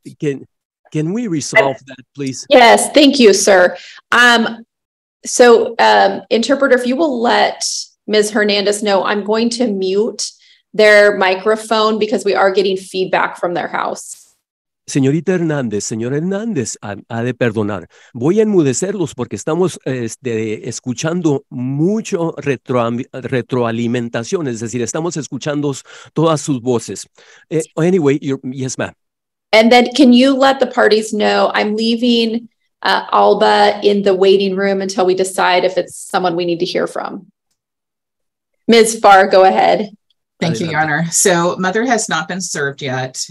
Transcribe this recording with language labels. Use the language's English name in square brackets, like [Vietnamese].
[English] Can we resolve that, please? Yes, thank you, sir. So, interpreter, if you will let Ms. Hernandez know, I'm going to mute their microphone because we are getting feedback from their house. [Spanish] Señorita Hernández, señor Hernández, ha de perdonar. Voy a enmudecerlos porque estamos escuchando mucho retroalimentación, es decir, estamos escuchando todas sus voces. [English] Anyway, yes, ma'am. And then can you let the parties know I'm leaving Alba in the waiting room until we decide if it's someone we need to hear from? Ms. Farr, go ahead. Thank you, Your Honor. So mother has not been served yet.